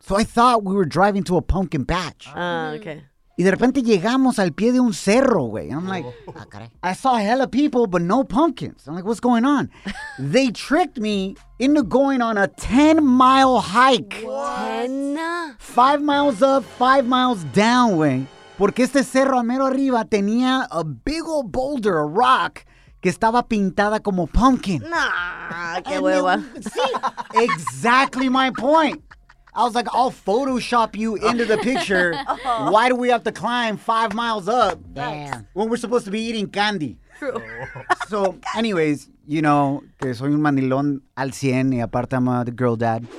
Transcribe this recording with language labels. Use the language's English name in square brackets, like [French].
[English] So I thought we were driving to a pumpkin patch. Okay. [Spanish] Y de repente llegamos al pie de un cerro, güey. [English] I'm like, I saw hella people, but no pumpkins. I'm like, what's going on? They tricked me into going on a 10-mile hike. What? 5 miles up, 5 miles down, güey. [Spanish] Porque este cerro a mero arriba tenía [English] a big old boulder, a rock, [Spanish] que estaba pintada como pumpkin. Nah, qué hueva. [English] Sí, exactly my point. I was like, I'll Photoshop you into the picture. Oh. Why do we have to climb 5 miles up? Damn. When we're supposed to be eating candy. True. So, anyways, you know, [Spanish] que soy un mandilón al 100 y aparte [English] I'm the girl dad.